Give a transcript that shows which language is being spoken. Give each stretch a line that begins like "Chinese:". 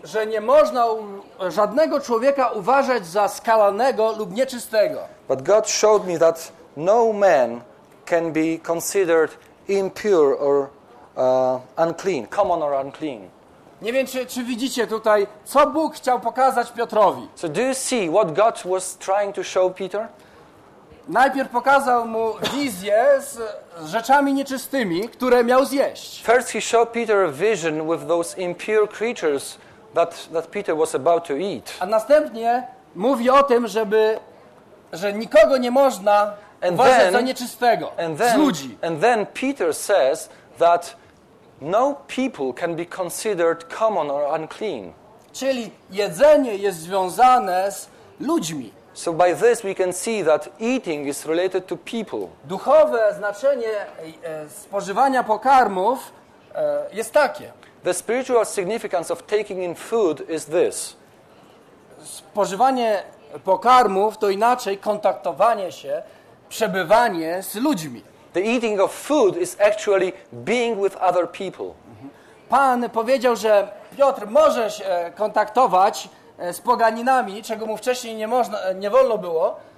Polish: że nie można żadnego człowieka uważać za skalanego lub nieczystego.
English: But God showed me that no man can be considered impure or unclean, common or unclean.
Polish: Nie wiem, czy widzicie tutaj, co Bóg chciał pokazać Piotrowi.
English: So do you see what God was trying to show Peter?
Polish: Najpierw pokazał mu wizję z rzeczami nieczystymi, które miał zjeść.
English: First he showed Peter a vision with those impure creatures that Peter was about to eat.
Polish: A następnie mówi o tym, że nikogo nie można uważać za nieczystego, z ludzi.
English: And then Peter says that no people can be considered common or unclean.
Polish: Czyli jedzenie jest związane z ludźmi.
English: So by this we can see that eating is related to people.
Polish: Duchowe znaczenie spożywania pokarmów jest takie.
English: The spiritual significance of taking in food is this.
Polish: Spożywanie pokarmów to inaczej kontaktowanie się, przebywanie z ludźmi.
English: The eating of food is actually being with other people.
Polish: Pan powiedział, że Piotr, możesz kontaktować z poganinami, czego mu wcześniej nie można, nie wolno było.